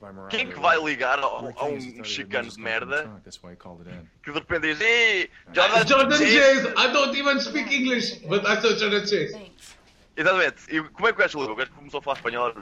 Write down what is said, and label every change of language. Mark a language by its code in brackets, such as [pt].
[pt] Quem que vai ligar a um chicano de merda que de repente diz [en] Jordan Chase, I don't even speak English, but I saw Jordan Chase. [pt] Exatamente, e como é que o gajo ligou? O gajo começou a falar espanhol.